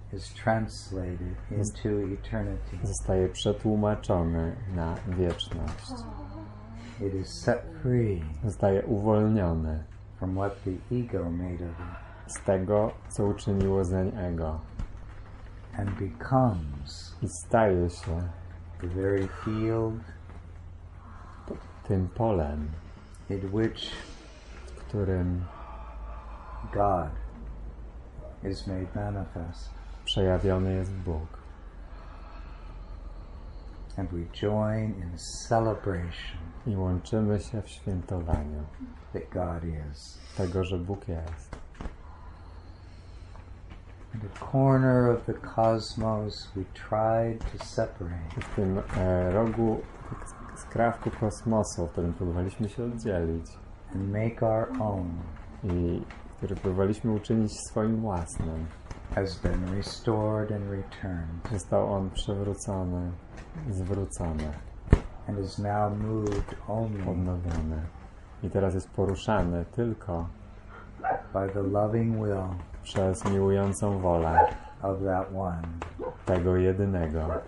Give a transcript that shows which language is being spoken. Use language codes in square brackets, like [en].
[en] is translated into eternity. [pl] Zostaje przetłumaczony na wieczność. [en] It is set free. [pl] Zostaje uwolniony [en] from what the ego made of it. [pl] Z tego, co uczyniło zeń ego. [en] And becomes. [pl] I staje się [en] the very field. [pl] Tym polem. [en] In which. [pl] W którym. [en] God. Is made manifest. [pl] Przejawiony jest Bóg. [en] And we join in celebration. [pl] I łączymy się w świętowaniu. [en] That God is. [pl] Tego, że Bóg jest. [en] In the corner of the cosmos we tried to separate. [pl] W tym rogu, skrawku kosmosu, w którym próbowaliśmy się oddzielić. [en] And make our own. [pl] I który próbowaliśmy uczynić swoim własnym. [en] Has been restored and returned. [pl] Został on przewrócony, zwrócony. [en] And is now moved only [pl] odnowiony. I teraz jest poruszany tylko [en] by the loving will [pl] przez miłującą wolę [en] of that one. [pl] Tego jedynego.